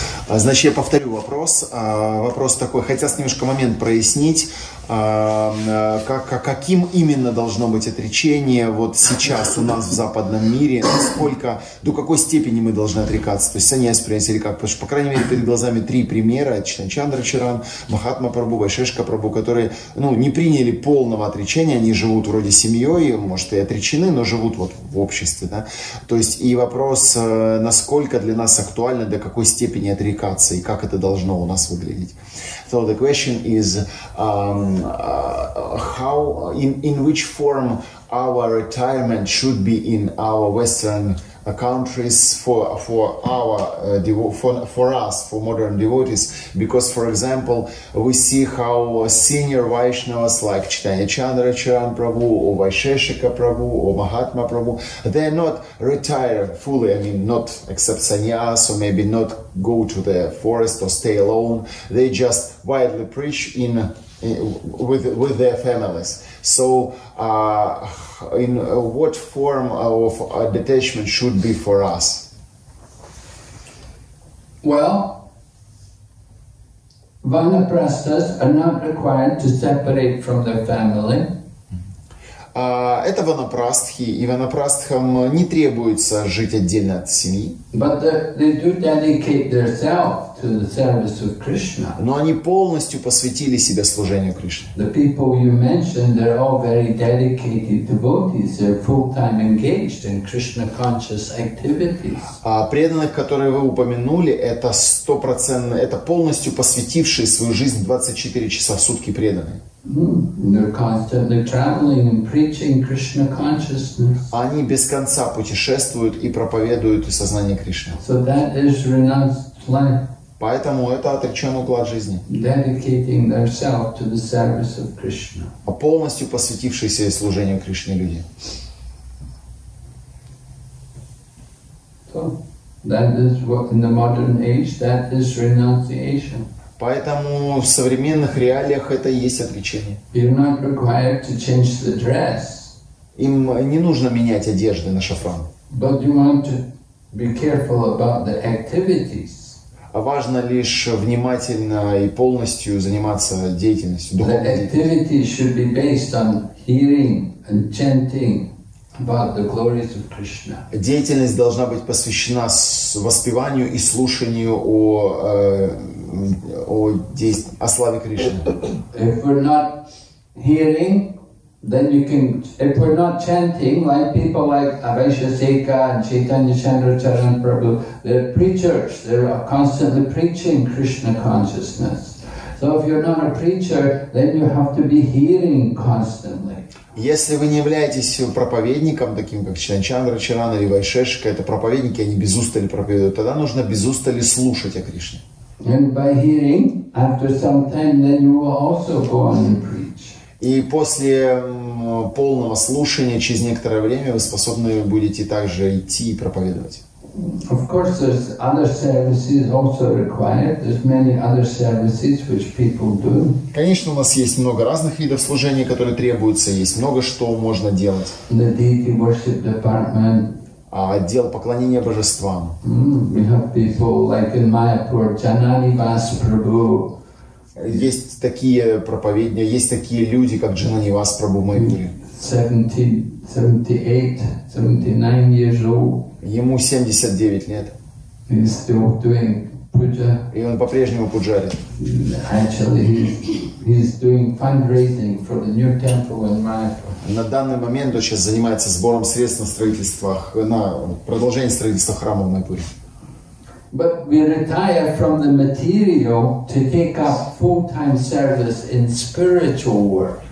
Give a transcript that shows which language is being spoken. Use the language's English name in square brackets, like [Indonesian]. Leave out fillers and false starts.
[Russian] Значит, я повторю вопрос. Вопрос такой, хотелось немножко момент прояснить, каким именно должно быть отречение вот сейчас у нас в западном мире, насколько, до какой степени мы должны отрекаться, то есть саньяс принять или как, потому что, по крайней мере, перед глазами три примера, Чанчандра Чаран, Махатма Прабу, Вайшешка Прабу, которые, ну, не приняли полного отречения, они живут вроде семьей, может, и отречены, но живут вот в обществе, да, то есть и вопрос, насколько для нас актуально, до какой степени отречение, и как это должно у нас выглядеть. [English] So the question is how in which form our retirement should be in our Western countries for modern devotees, because for example we see how senior Vaishnavas like Chaitanya Chandra Charan Prabhu or Vaisheshika Prabhu or Mahatma Prabhu, they are not retired fully, I mean not accept sannyas or maybe not go to the forest or stay alone, they just widely preach with their families. So in what form of detachment should be for us? Well, vanaprasthas are not required to separate from their family. [Russian] Это ванапрастхи, и ванапрастхам не требуется жить отдельно от семьи. [English] But they do dedicate themselves to the service of Krishna. [Russian] Но они полностью посвятили себя служению Кришне. [English] The people you mentioned, they're all very dedicated devotees. They're full-time engaged in Krishna-conscious activities. [Russian] А преданных, которые вы упомянули, это 100%, это полностью посвятившие свою жизнь 24 часа в сутки преданные. [English] They're constantly traveling and preaching Krishna consciousness. [Russian] Они без конца путешествуют и проповедуют сознание Кришны. [English] So that is renounced life. [Russian] Поэтому это отречённый уклад жизни. [English] Dedicating themselves to the service of Krishna. [Russian] А полностью посвятившиеся служению Кришне люди. [English] So that is what in the modern age that is renunciation. [Russian] Поэтому в современных реалиях это и есть отречение. [English] You're not required to change the dress. [Russian] Им не нужно менять одежды на шафран. [English] But you want to be careful about the activities. [Russian] А важно лишь внимательно и полностью заниматься деятельностью, духовной деятельностью. [English] The activities should be based on hearing and chanting about the glories of Krishna. [Russian] Деятельность должна быть посвящена воспеванию и слушанию о славе Кришны. [English] If we're not hearing, then you can. If we're not chanting, like people like Vaisheshika and Chaitanya Chandra Charan Prabhu, they're preachers. They're constantly preaching Krishna consciousness. So if you're not a preacher, then you have to be hearing constantly. [Russian] Если вы не являетесь проповедником, таким как Чанчандра Чаран или Вайшешика, это проповедники, они без устали проповедуют, тогда нужно без устали слушать о Кришне. [English] And by hearing, after some time, then you will also go on and preach. [Russian] И после полного слушания, через некоторое время, вы способны будете также идти и проповедовать. [English] Of course, there's other services also required. There's many other services which people do. [Russian] Конечно, у нас есть много разных видов служения, которые требуются. Есть много, что можно делать. [English] The deity worship department. [Russian] А отдел поклонения божествам. [English] We have people like in Mayapur, Джананивас Прабху. [Russian] Есть такие проповедники, есть такие люди, как Джананивас Прабху Майпуре. [English] 78, 79 years old. [Russian] Ему 79 лет. [English] He's still doing Puja. [Russian] И он по-прежнему пуджарит. [English] Actually, he's doing fundraising for the new temple in Mayapur. [Russian] На данный момент он сейчас занимается сбором средств на строительство, на продолжение строительства храма в Майпуре. [English] But we retire from the material to take up full-time service in spiritual work.